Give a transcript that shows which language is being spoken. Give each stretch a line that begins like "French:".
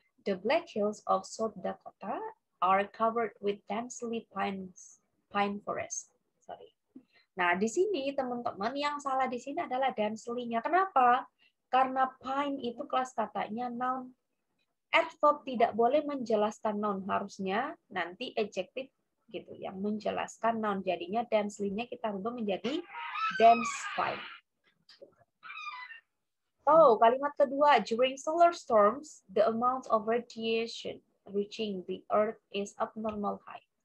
English: The Black Hills of South Dakota are covered with densely pines. Pine forest, sorry.
Indonesian: Nah, di sini teman-teman yang salah di sini adalah densely-nya. Kenapa? Karena pine itu kelas katanya noun. Adverb tidak boleh menjelaskan noun, harusnya nanti adjective gitu yang menjelaskan noun. Jadinya densely-nya kita rubah menjadi dense pine. Oh, kalimat kedua,
English: during solar storms, the amount of radiation reaching the earth is abnormal high.